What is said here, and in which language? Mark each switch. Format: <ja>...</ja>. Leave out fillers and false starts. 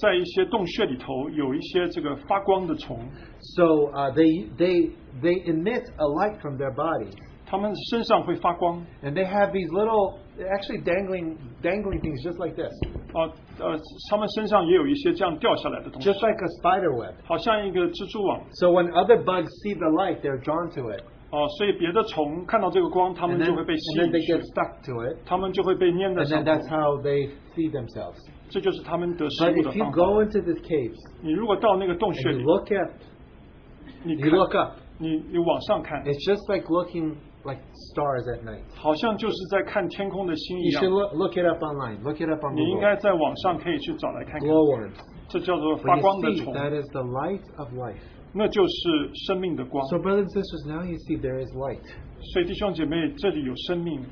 <zh>在一些洞穴里头有一些这个发光的虫.</zh> <en>So they emit a light from their body.</en> <zh>他们身上会发光.</zh> <en>And they have these little actually dangling things just like this.</en> <zh>他们身上也有一些这样掉下来的东西,</zh> <en>just like a spider web.</en> <zh>好像一个蜘蛛网,</zh> <en>so when other bugs see the light, they're drawn to it.</en> <zh>所以别的虫看到这个光, 他们就会被吸引去,</zh> <en>and then they get stuck to it,</en> <zh>他们就会被粘在上头,</zh> <en>and then that's how they feed themselves.</en> <zh>这就是他们得食物的方法。</zh> <en>But if you go into this cave,</en> <zh>你如果到那个洞穴里,</zh> <en>and you look at,</en> <zh>你看,</zh> <en>you look up,</en> <zh>你往上看,</zh> <en>it's just like looking like stars at night.</en> <zh>好像就是在看天空的星一样。</zh> <en>You should look it up online. Look it up on Google.</en> <zh>你应该在网上可以去找来看看。</zh> <en>Glowworms.</en> <zh>这叫做发光的虫。</zh> <en>You see, that is the light of life.</en> <zh>那就是生命的光。</zh> <en>So brothers and sisters, now you see there is light.</en> <zh>所以弟兄姐妹, 这里有生命。</zh>